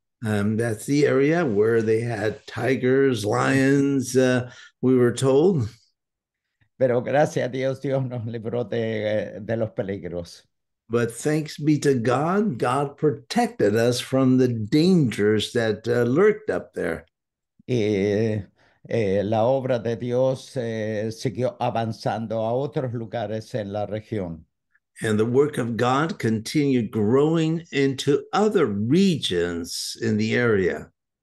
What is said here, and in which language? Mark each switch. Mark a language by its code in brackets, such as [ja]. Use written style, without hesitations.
[en] That's the area where they had tigers, lions, we were told. [es] Pero gracias a Dios, Dios nos libró de los peligros. [en] But thanks be to God, God protected us from the dangers that lurked up there. [es] La obra de Dios siguió avanzando a otros lugares en la región. [en] And the work of God continued growing into other regions in the area.